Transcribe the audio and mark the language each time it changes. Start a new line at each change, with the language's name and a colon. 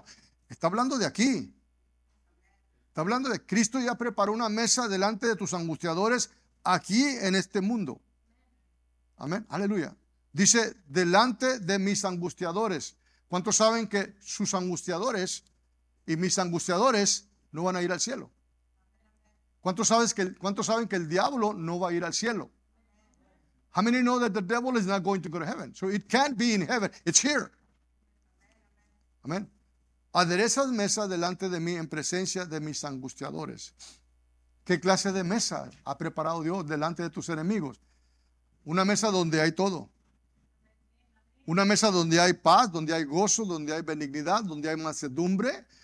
Spanish: No, está hablando de aquí. Está hablando de Cristo ya preparó una mesa delante de tus angustiadores aquí en este mundo. Amén. Aleluya. Dice, delante de mis angustiadores. ¿Cuántos saben que sus angustiadores y mis angustiadores no van a ir al cielo? ¿Cuántos saben que el diablo no va a ir al cielo?
English: How many know that the devil is not going to go to heaven? So it can't be in heaven. It's here. Amén.
Spanish: Aderezas mesa delante de mí en presencia de mis angustiadores. ¿Qué clase de mesa ha preparado Dios delante de tus enemigos? Una mesa donde hay todo. Una mesa donde hay paz, donde hay gozo, donde hay benignidad, donde hay mansedumbre.